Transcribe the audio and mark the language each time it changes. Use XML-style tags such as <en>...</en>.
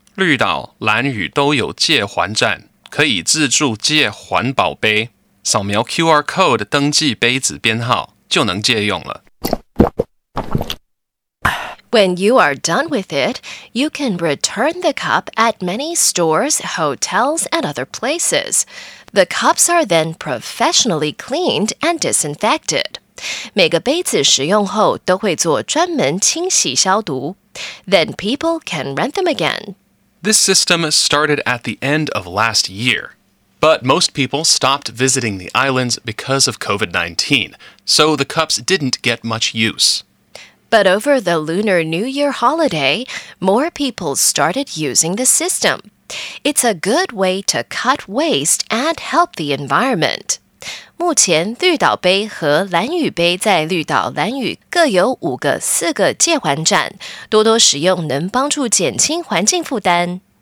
<zh>绿岛、蓝屿都有借还站。可以自助借环保杯，扫描 QR code 登记杯子编号就能借用了。</zh> <en>When you are done with it, you can return the cup at many stores, hotels, and other places. The cups are then professionally cleaned and disinfected.</en> <zh>每个杯子使用后都会做专门清洗消毒。</zh> <en>Then people can rent them again. This system started at the end of last year, but most people stopped visiting the islands because of COVID-19, so the cups didn't get much use. But over the Lunar New Year holiday, more people started using the system. It's a good way to cut waste and help the environment.</en> <zh>目前绿岛杯和蓝屿杯在绿岛蓝屿各有五个四个借还站多多使用能帮助减轻环境负担</zh>